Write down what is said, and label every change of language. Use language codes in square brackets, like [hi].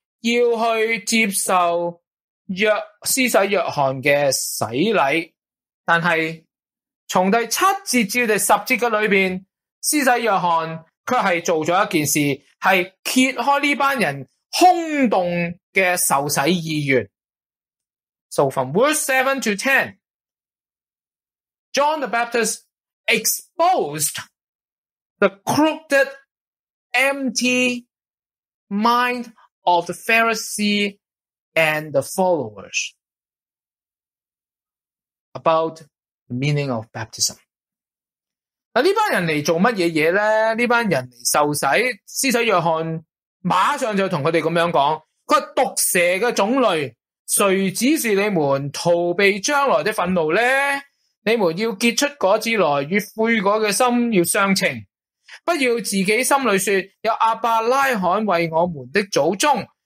[zh] 要去接受施洗约翰的洗礼。但是从第七节至第十节的里面，施洗约翰却是做了一件事，是揭开这班人空洞的受洗意愿。 [en] So from verse 7 to 10, John the Baptist exposed the crooked, empty mind of the Pharisee and the followers about the meaning of baptism. [zh] 这班人来做什么事呢？这班人来受洗，施洗约翰马上就跟他们这样讲，他说毒蛇的种类，谁指示你们逃避将来的愤怒呢？你们要结出果子来，与悔改的心要相称，不要自己心里说，有阿伯拉罕为我们的祖宗。